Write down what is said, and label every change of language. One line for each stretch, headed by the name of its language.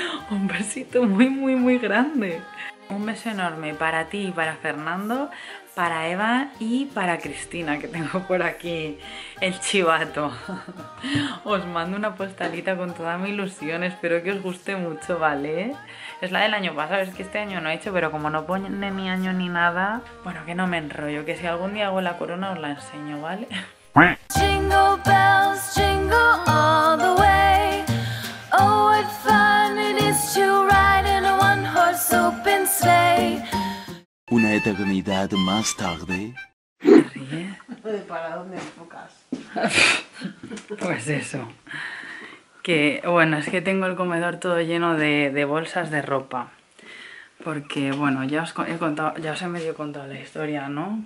Spanish: Un besito muy, muy, muy grande. Un beso enorme para ti y para Fernando, para Eva y para Cristina, que tengo por aquí el chivato. Os mando una postalita con toda mi ilusión. Espero que os guste mucho, ¿vale? Es la del año pasado, es que este año no he hecho, pero como no pone ni año ni nada, bueno, que no me enrollo, que si algún día hago la corona os la enseño, ¿vale?
English: Jingle bells, jingle all the way. Oh, what fun it is to ride in a one-horse open sleigh.
Spanish: Una eternidad más tarde. ¿Ríe? ¿Para dónde enfocas? Pues eso. Que, bueno, es que tengo el comedor todo lleno de bolsas de ropa. Porque, bueno, ya os he contado, ya os he medio contado la historia, ¿no?